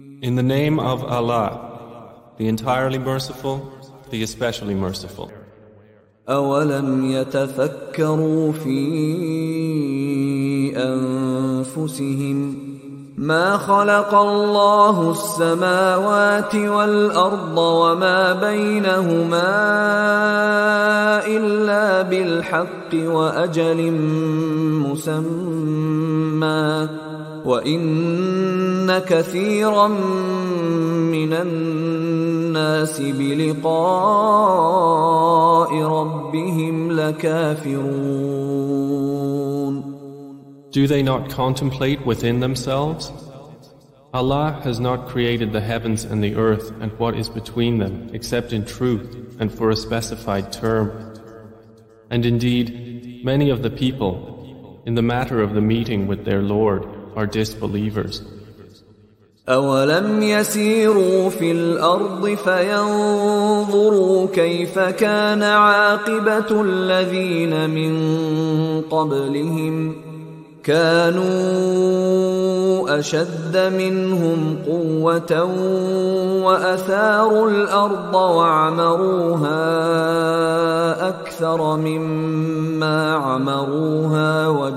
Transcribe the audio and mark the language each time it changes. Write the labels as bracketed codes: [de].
[en] In the name of Allah, the entirely merciful, the especially merciful۔ [ar] اولم يتفكروا في انفسهم ما خلق الله السماوات والأرض وما بينهما إلا بالحق وأجل مسمى وإن كثيرا من الناس بلقاء ربهم لكافرون۔ [en] Do they not contemplate within themselves? Allah has not created the heavens and the earth and what is between them except in truth and for a specified term. And indeed, many of the people, in the matter of the meeting with their Lord, are disbelievers. [ar] أَوَلَمْ يَسِيرُوا فِي الْأَرْضِ فَيَنْظُرُوا كَيْفَ كَانَ عَاقِبَةُ الَّذِينَ مِنْ قَبْلِهِمْ كانوا أشد منهم قوة وأثاروا الأرض وعمروها أكثر مما عمروها